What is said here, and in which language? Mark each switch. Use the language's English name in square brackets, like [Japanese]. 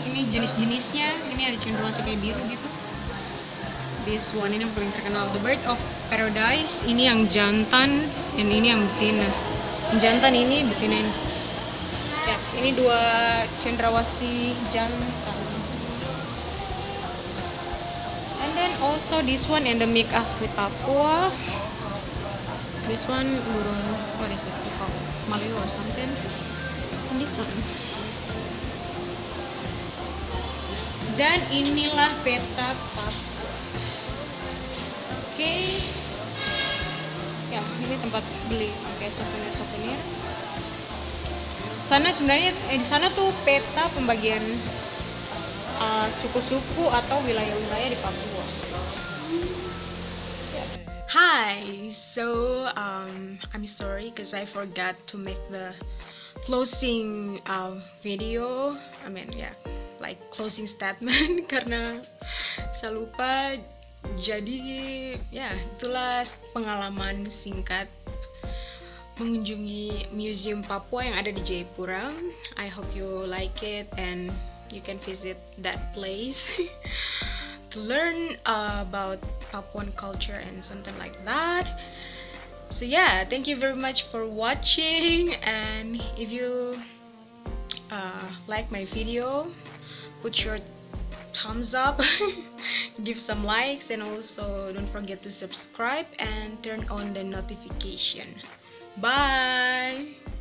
[Indonesian] Ini jenis-jenisnya, ini ada cendrawasih kayak biru gitu. [English] This one [Indonesian] ini yang paling terkenal, [English] the bird of paradise. [Indonesian] Ini yang jantan, and ini yang betina. Jantan ini, betina ini. Ya, ini dua cendrawasih jantan. [English] And then also this one endemic asli Papua. This one burung, what is it? Called? Malio or something. And this one. [Indonesian] Dan inilah peta Papua. Oke. Okay. Ya, ini tempat beli kayak souvenir. Sana sebenarnya di sana tuh peta pembagian suku-suku atau wilayah-wilayah di Papua. [English] Yeah. Hi. So, I'm sorry because I forgot to make the closing video. I mean, yeah, like closing statement [Indonesian] karena saya lupa. Jadi ya, itulah pengalaman singkat mengunjungi Museum Papua yang ada di Jayapura. [English] I hope you like it and you can visit that place to learn about Papuan culture and something like that. So yeah, thank you very much for watching, and if you like my video, put your thumbs up, give some likes, and also don't forget to subscribe and turn on the notification. Bye!